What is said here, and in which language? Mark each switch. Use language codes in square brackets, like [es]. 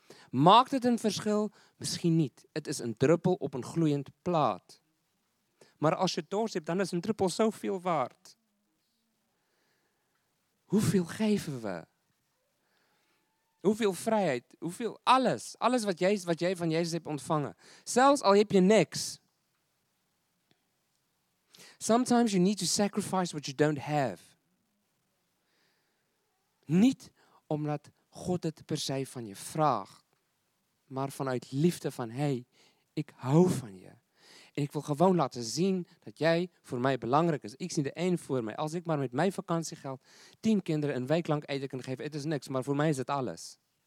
[nl] Maakt het een verschil? Misschien niet. Het is een druppel op een gloeiend plaat. Maar als je dorst hebt, dan is een druppel zoveel waard. Hoeveel geven we? Hoeveel vrijheid? Hoeveel? Alles. Alles wat jij van Jezus hebt ontvangen. Zelfs al heb je niks. [en] Sometimes you need to sacrifice what you don't have. [nl] Niet omdat God het per se van je vraagt, maar vanuit liefde van, hey, ik hou van je. En ik wil gewoon laten zien dat jij voor mij belangrijk is. Ik zie de één voor mij. Als ik maar met mijn vakantiegeld 10 kinderen een week lang eten kan geven, het is niks, maar voor mij is het alles.